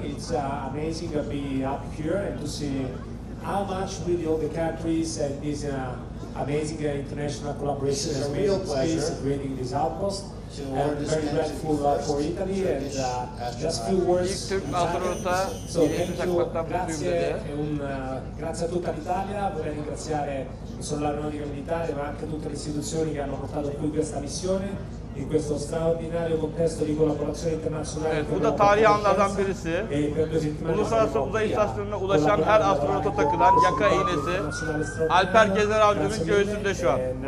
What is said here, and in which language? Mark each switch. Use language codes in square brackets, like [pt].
[en] It's amazing to be up here and to see how much with all the countries and this amazing international collaboration has made space in creating this outpost. And very grateful for Italy and just a few words. So thank you, [it] grazie, grazie a tutta l'Italia. Vorrei ringraziare non solo la Nordica dell'Italia, ma anche tutte le istituzioni che hanno portato qui questa missione in questo straordinario contesto di collaborazione internazionale. [tr] Evet, bu da tarihi anlardan birisi. Uluslararası Uzay İstasyonu'na ulaşan her astronota takılan yaka iğnesi Alper Gezer Avcı'nın göğsünde şu an.